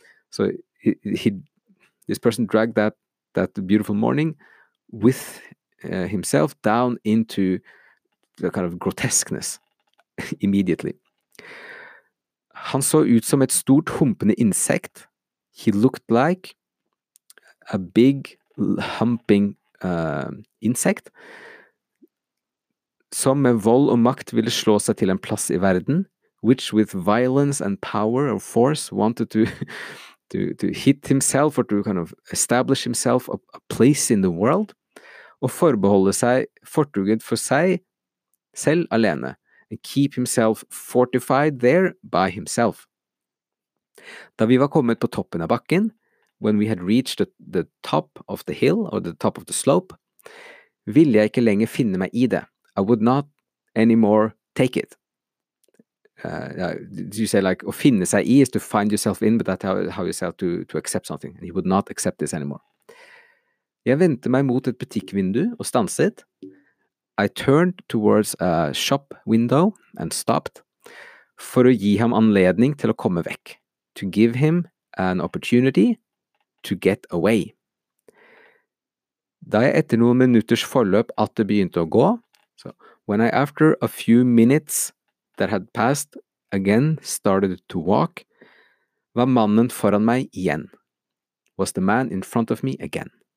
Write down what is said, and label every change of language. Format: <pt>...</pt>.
<en>So this person dragged that beautiful morning with himself down into the kind of grotesqueness immediately.</en> <no>Han så ut som et stort humpende insekt.</no> <en>He looked like a big humping insect,</en> <no>som med vold og makt ville slå seg til en plass i verden,</no> <en>which with violence and power or force wanted to hit himself or to kind of establish himself a place in the world,</en> <no>og forbeholde seg fortuget for seg selv alene.</no> <en>And keep himself fortified there by himself.</en> <no>Da vi var kommet på toppen av bakken,</no> <en>when we had reached the top of the hill or the top of the slope,</en> <no>ville jeg ikke lenger finne meg i det.</no> <en>I would not anymore take it. You say like, å finne seg i is to find yourself in, but that's how you say to accept something. And he would not accept this anymore.</en> <no>Jeg vendte meg mot et butikkvindu og stanset.</no> <en>I turned towards a shop window and stopped for</en> <no>å gi ham anledning til å komme vekk,</no> <en>to give him an opportunity to get away.</en> <no>Da jeg etter noen minutters forløp at det begynte å gå,</no> <en>so when I after a few minutes that had passed again started to walk,</en> <no>var mannen foran meg igjen,</no> <en>was the man in front of me again.</en>